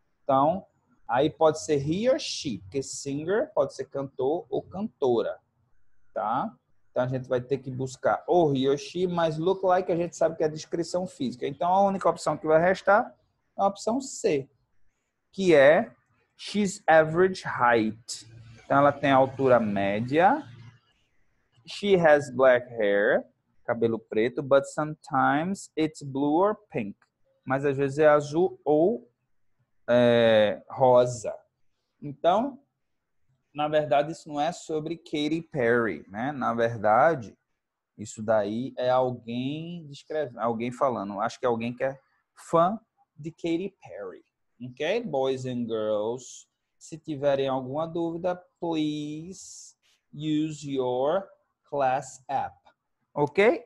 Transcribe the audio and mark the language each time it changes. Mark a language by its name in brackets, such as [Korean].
[Portuguese] Então, aí pode ser [English] he or she, [Portuguese] porque singer pode ser cantor ou cantora, tá? Então a gente vai ter que buscar ou [English] he or she, [Portuguese] mas [English] look like [Portuguese] a gente sabe que é a descrição física. Então a única opção que vai restar é a opção C, que é [English] she's average height. [Portuguese] Então ela tem altura média. [English] She has black hair, [Portuguese] cabelo preto, [English] but sometimes it's blue or pink. [Portuguese] Mas às vezes é azul ou rosa. Então, na verdade, isso não é sobre Katy Perry, né? Na verdade, isso daí é alguém descrevendo, alguém falando. Acho que é alguém que é fã de Katy Perry. Ok? [English] Boys and girls, [Portuguese] se tiverem alguma dúvida, [English] please use your class app. [Portuguese] Ok?